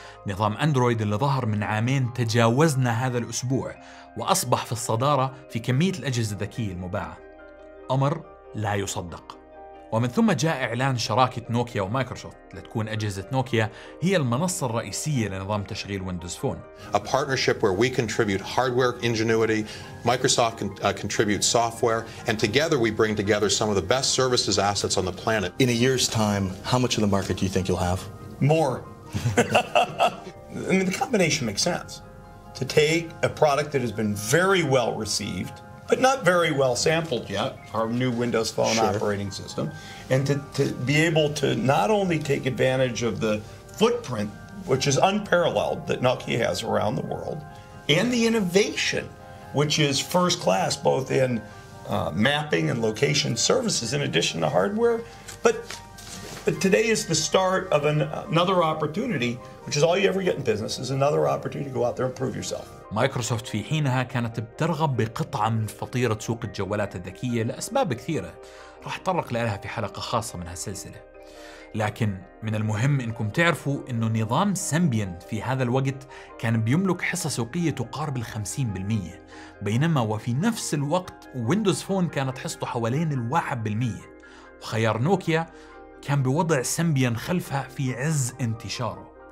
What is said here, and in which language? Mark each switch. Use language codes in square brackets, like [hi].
[ar] نظام أندرويد اللي ظهر من عامين تجاوزنا هذا الأسبوع وأصبح في الصدارة في كمية الأجهزة الذكية المباعة، أمر لا يصدق. ومن ثم جاء إعلان شراكة نوكيا ومايكروسوفت لتكون أجهزة نوكيا هي المنصة الرئيسية لنظام تشغيل ويندوز فون. [en] A partnership where we contribute hardware ingenuity, Microsoft contributes software, and together we bring together some of the best services assets on the planet. In a year's time, how much of the market do you think you'll have? More. I mean, the combination makes sense. To take a product that has been very well received, but not very well sampled yet, our new Windows Phone operating system, and to be able to not only take advantage of the footprint, which is unparalleled, that Nokia has around the world, and the innovation, which is first class, both in mapping and location services, in addition to hardware, but today is the start of another opportunity, which is all you ever get in business, is another opportunity to go out there and prove yourself. [ar] مايكروسوفت في حينها كانت بترغب بقطعة من فطيرة سوق الجوالات الذكية لأسباب كثيرة راح أتطرق لها في حلقة خاصة من هالسلسلة، لكن من المهم إنكم تعرفوا إنه نظام سيمبيان في هذا الوقت كان بيملك حصة سوقية تقارب 50%، بينما وفي نفس الوقت ويندوز فون كانت حصته حوالين 1%، وخيار نوكيا كان بوضع سيمبيان خلفها في عز انتشاره.